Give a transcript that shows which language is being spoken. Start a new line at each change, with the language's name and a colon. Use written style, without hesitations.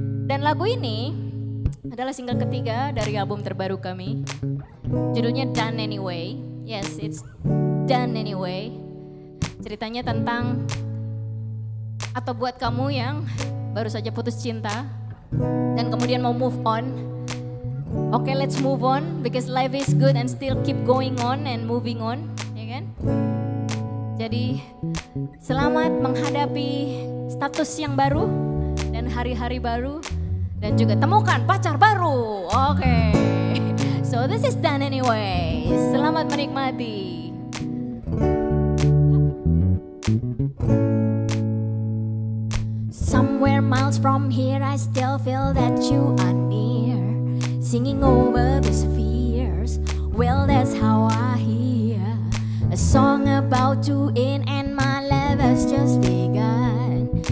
Indonesian: Dan lagu ini adalah single ketiga dari album terbaru kami. Judulnya
English: Done Anyway. Yes, it's Done Anyway.
Indonesian: Ceritanya tentang, atau buat kamu yang baru saja putus cinta dan kemudian mau move on.
English: Okay, let's move on because life is good and still keep going on and moving on,
Indonesian: ya kan? Jadi selamat menghadapi status yang baru dan hari-hari baru dan juga temukan pacar baru.
English: Okay, so this is Done Anyway.
Indonesian: Selamat menikmati.
English: Somewhere miles from here, I still feel that you are near. Singing over these fears, well that's how I hear a song about to end and my love has just begun.